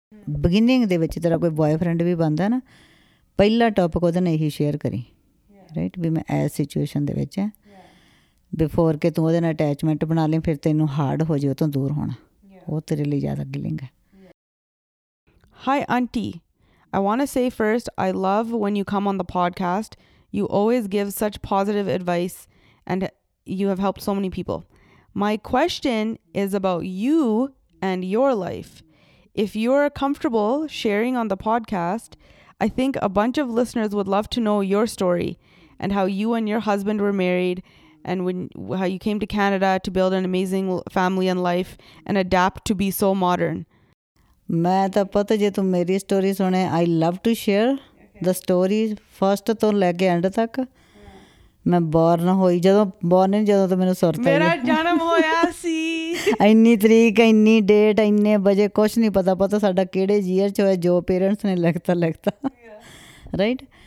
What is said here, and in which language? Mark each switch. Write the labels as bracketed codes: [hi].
[pa] Beginning ਦੇ ਵਿੱਚ ਤੇਰਾ ਕੋਈ ਬੋਏਫ੍ਰੈਂਡ ਵੀ ਬਣਦਾ ਨਾ, ਪਹਿਲਾ ਟੋਪਿਕ ਉਹਦੇ ਨਾਲ ਇਹੀ ਸ਼ੇਅਰ ਕਰੀ, ਰਾਈਟ, ਵੀ ਮੈਂ ਇਸ ਸਿਚੁਏਸ਼ਨ ਦੇ ਵਿੱਚ ਹੈ, ਬਿਫੋਰ ਕਿ ਤੂੰ ਉਹਦੇ ਨਾਲ ਅਟੈਚਮੈਂਟ ਬਣਾ ਲਈ, ਫਿਰ ਤੈਨੂੰ ਹਾਰਡ ਹੋ ਜਾਵੇ ਉਹ ਤੋਂ ਦੂਰ ਹੋਣਾ, ਉਹ ਤੇਰੇ ਲਈ ਜ਼ਿਆਦਾ ਗਿਲਿੰਗ ਹੈ। [en] Hi, Aunty. I want to say first, I love when you come on the podcast. You always give such positive advice and you have helped so many people. My question is about you and your life. If you're comfortable sharing on the podcast, I think a bunch of listeners would love to know your story and how you and your husband were married and how you came to Canada to build an amazing family and life and adapt to be so modern. [pa] ਮੈਂ ਤਾਂ ਪਤਾ ਜੇ ਤੂੰ ਮੇਰੀ story ਸੁਣੇ, [en] I love to share the story first [pa] ਤੋਂ ਲੈ ਕੇ and ਤੱਕ। ਮੈਂ ਬੋਰਨ ਹੋਈ ਜਦੋਂ ਬੋਰਨ ਜਦੋਂ ਤਾਂ ਮੈਨੂੰ ਸੁਰਤ ਮੇਰਾ ਜਨਮ ਹੋਇਆ ਸੀ, ਇੰਨੀ ਤਰੀਕ, ਇੰਨੀ ਡੇਟ, ਇੰਨੇ ਵਜੇ, ਕੁਛ ਨਹੀਂ ਪਤਾ ਸਾਡਾ ਕਿਹੜੇ ਯੀਅਰ 'ਚ ਹੋਇਆ, ਜੋ ਪੇਰੈਂਟਸ ਨੇ ਲਿਖਤਾ, ਰਾਈਟ।